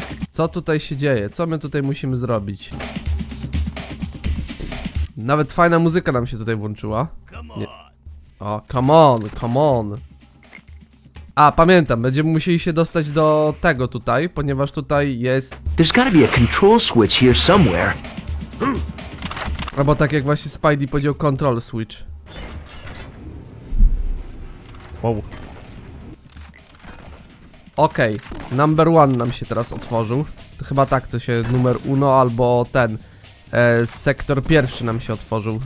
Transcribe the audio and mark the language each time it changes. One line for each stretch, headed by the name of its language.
Polish: Co tutaj się dzieje? Co my tutaj musimy zrobić? Nawet fajna muzyka nam się tutaj włączyła. Nie.
English: O, come on, come on.
Polish: A, pamiętam, będziemy musieli się dostać do tego tutaj, ponieważ tutaj jest...
English: There's gotta be a control switch here somewhere.
Polish: Albo tak jak właśnie Spidey powiedział
English: control switch.
Polish: Wow. Okej, okay. Number one nam się teraz otworzył. To chyba tak to się numer uno albo ten sektor pierwszy nam się otworzył.